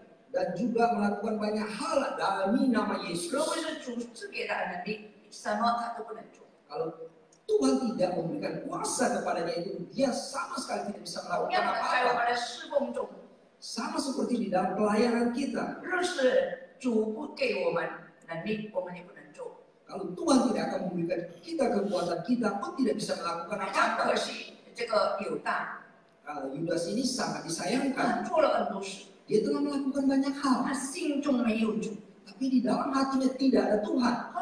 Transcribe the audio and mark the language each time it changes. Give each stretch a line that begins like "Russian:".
Indonesian: dan juga melakukan banyak hal dalami nama Yesus.
Chinese: 如果是主赐给他的能力, 什么他都不能做。
Indonesian: Kalau Tuhan tidak memberikan kuasa kepadanya itu, dia sama sekali tidak bisa melakukan apa-apa. Sama seperti di dalam pelayanan kita.
Chinese: 若是主不给我们能力，我们也不能做。
Indonesian: Kalau Tuhan tidak akan memberikan kita kekuatan, kita pun tidak bisa melakukan apa-apa.
Chinese: 这个犹大,
Indonesian: Yudas ini sangat disayangkan. Dia telah melakukan banyak hal.
Chinese: 他心中没有主,
Indonesian: tapi di dalam hatinya tidak ada Tuhan.